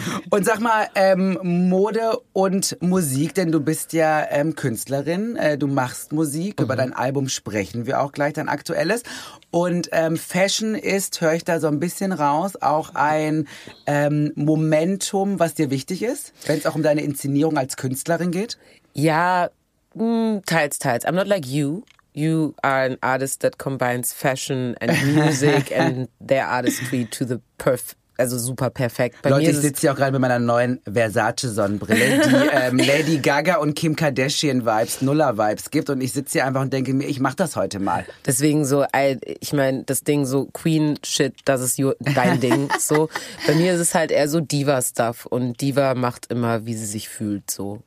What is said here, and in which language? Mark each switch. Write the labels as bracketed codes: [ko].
[de] Und sag mal, Mode und Musik, denn du bist ja Künstlerin, du machst Musik, über dein Album sprechen wir auch gleich, dein aktuelles. Und Fashion ist, höre ich da so ein bisschen raus, auch ein Momentum, was dir wichtig ist, wenn es auch um deine Inszenierung als Künstlerin geht? Ja, teils, teils. [en] I'm not like you. You are an artist that combines fashion and music and their artistry to the perfect. [de] Also super perfekt. Bei Leute, mir ich sitze hier auch gerade mit meiner neuen Versace-Sonnenbrille, die Lady Gaga und Kim Kardashian-Vibes, Nuller-Vibes gibt. Und ich sitze hier einfach und denke mir, ich mache das heute mal. Deswegen so, ich meine, das Ding so Queen-Shit, das ist dein Ding. So. Bei mir ist es halt eher so Diva-Stuff. Und Diva macht immer, wie sie sich fühlt. So.